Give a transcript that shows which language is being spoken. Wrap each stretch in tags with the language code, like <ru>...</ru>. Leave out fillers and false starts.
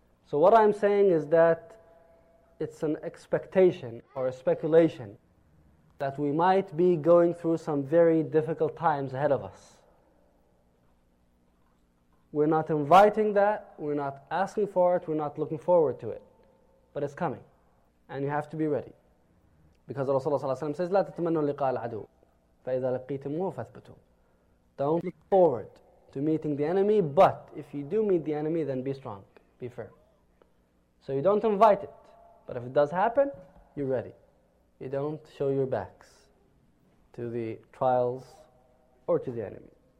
<en>So what I'm saying is that it's an expectation or a speculation that we might be going through some very difficult times ahead of us. We're not inviting that, we're not asking for it, we're not looking forward to it. But it's coming, and you have to be ready. Because Rasulullah ﷺ says,</en> <ar>لا تتمنوا لقاء العدو فإذا لقيتموه فاثبتوا.</ar> <en>Don't look forward to meeting the enemy, but if you do meet the enemy, then be strong, be firm. So you don't invite it, but if it does happen, you're ready. You don't show your backs to the trials or to the enemy.</en>